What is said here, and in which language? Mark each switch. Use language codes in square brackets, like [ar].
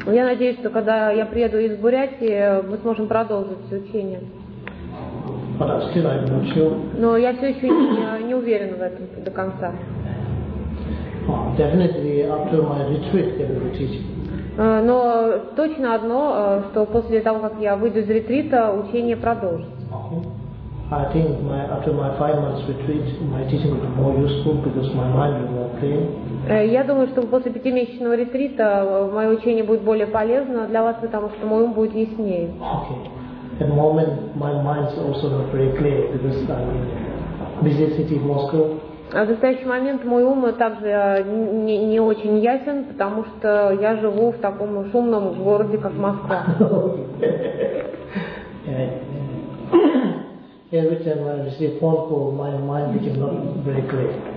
[ru] Я надеюсь, что когда я приеду из Бурятии, мы сможем продолжить учение. [en] But still I'm not sure. [ru] Но я все еще не уверен в этом до конца. [en] Definitely after my retreat there will be teaching. [ru] Но точно одно, что после того, как я выйду из ретрита, учение продолжится. [en] I think after my 5 months retreat, my teaching will be more useful because my mind will be more clear. [ru] Я думаю, что после 5-месячного ретрита мое учение будет более полезно для вас, потому что мой ум будет яснее. [en] Okay. At the moment, my mind is also not very clear because I'm in a busy city of Moscow. [ru] А в настоящий момент мой ум также не очень ясен, потому что я живу в таком шумном городе, как Москва. [en] Every time I receive phone call, my mind becomes not very clear.